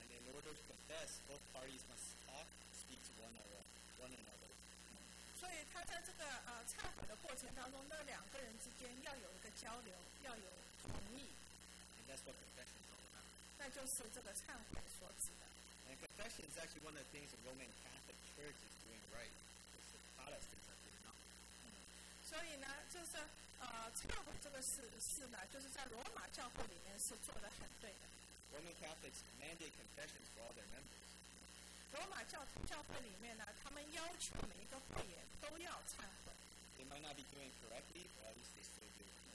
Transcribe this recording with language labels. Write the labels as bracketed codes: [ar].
[en] And in order to confess, both parties must talk, speak to one another. [zh] 所以他在这个忏悔的过程当中，那两个人之间要有一个交流，要有同意。 [en] And that's what confession is all about. [zh] 那就是这个忏悔所指的。 [en] And confession is actually one of the things the Roman Catholic Church is doing right. It's the Protestants are doing wrong. [zh] 所以呢，就是忏悔这个事呢，就是在罗马教会里面是做得很对的。 [en] Roman Catholics mandate confessions for all their members. [zh] 罗马教会里面呢，他们要求每一个会员都要忏悔。 [en] They might not be doing it correctly, but at least they still do it.